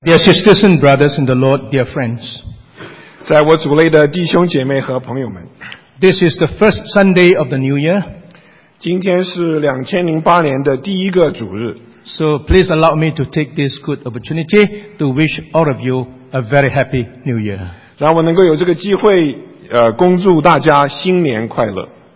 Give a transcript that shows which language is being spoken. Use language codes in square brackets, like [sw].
[en] Dear sisters and brothers in the Lord, dear friends. [zh] 在我主内的弟兄姐妹和朋友们。 [en] This is the first Sunday of the new year. [zh] 今天是2008年的第一个主日。 [en] So please allow me to take this good opportunity to wish all of you a very happy new year. [zh] 让我能够有这个机会恭祝大家新年快乐。